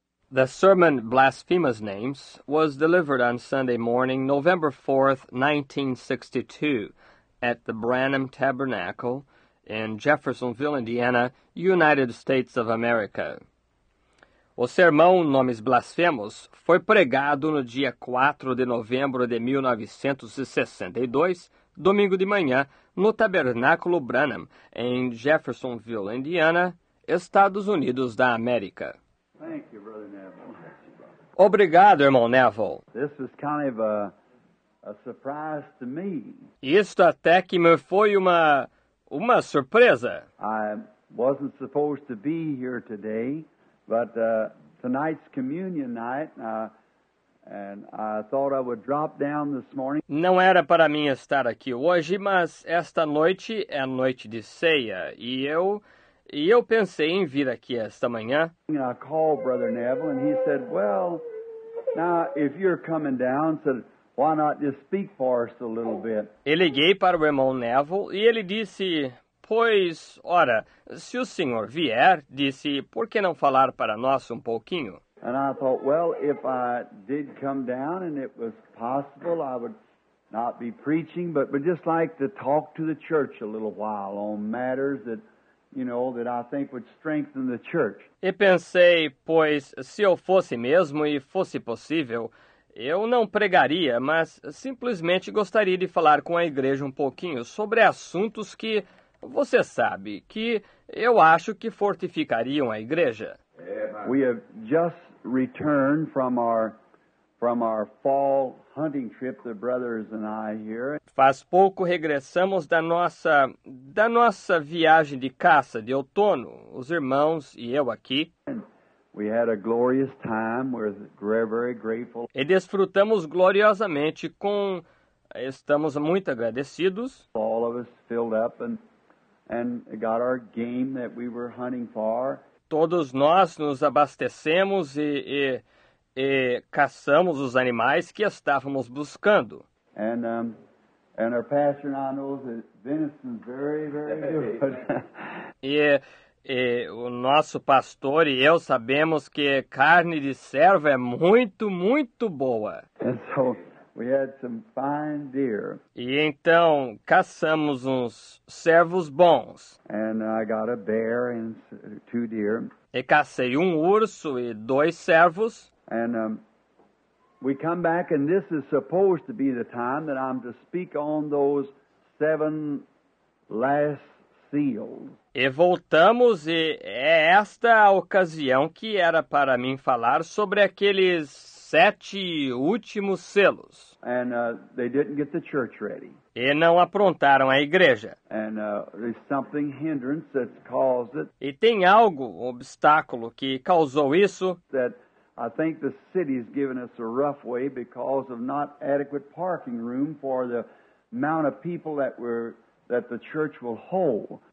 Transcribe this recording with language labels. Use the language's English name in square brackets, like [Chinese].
[English] The sermon, Blasphemous Names, was delivered on Sunday morning, November 4, 1962, at the Branham Tabernacle in Jeffersonville, Indiana, United States of America. [Portuguese] O sermão, Nomes Blasfemos, foi pregado no dia 4 de novembro de 1962, domingo de manhã, no Tabernáculo Branham, em Jeffersonville, Indiana, Estados Unidos da América. [English] Thank you, Brother Neville. [Portuguese] Obrigado, irmão Neville. [English] This was kind of a surprise to me. [Portuguese] Isto até que me foi uma surpresa. [English] I wasn't supposed to be here today, but tonight's communion night, and I thought I would drop down this morning. [Portuguese] Não era para mim estar aqui hoje, mas esta noite é noite de ceia, e eu pensei em vir aqui esta manhã. [English] I called Brother Neville, and he said, well, now, if you're coming down, said, why not just speak for us a little bit? [Portuguese] Eu liguei para o irmão Neville, e ele disse, pois, ora, se o senhor vier, disse, por que não falar para nós um pouquinho? [English] And I thought, well, if I did come down, and it was possible, I would not be preaching, but just like to talk to the church a little while on matters that, you know, that I think would strengthen the church. [Portuguese] E pensei, pois, se eu fosse mesmo e fosse possível, eu não pregaria, mas simplesmente gostaria de falar com a igreja um pouquinho sobre assuntos que, você sabe, que eu acho que fortificariam a igreja. [English] We have just returned from our fall hunting trip, the brothers and I here. [Portuguese] Faz pouco regressamos da nossa viagem de caça de outono, os irmãos e eu aqui. [English] And we had a glorious time. We're very grateful. [Portuguese] E desfrutamos gloriosamente estamos muito agradecidos. [English] All of us filled up and got our game that we were hunting for. [Portuguese] Todos nós nos abastecemos e caçamos os animais que estávamos buscando. [English] And our pastor and I know that venison's very, very good. [Portuguese] e o nosso pastor e eu sabemos que carne de cerva é muito, muito boa. [English] And so we had some fine deer. [Portuguese] E então caçamos uns cervos bons. [English] And I got a bear and two deer. [Portuguese] E cacei um urso e dois cervos. [English] And we come back, and this is supposed to be the time that I'm to speak on those seven last seals. [Portuguese] E voltamos, e é esta a ocasião que era para mim falar sobre aqueles sete últimos selos. [English] And they didn't get the church ready. [Portuguese] E não aprontaram a igreja. [English] And there's something hindrance that caused it. [Portuguese] E tem algo, obstáculo, que causou isso. [English] That I think the city's given us a rough way because of not adequate parking room for the amount of people that the church will hold.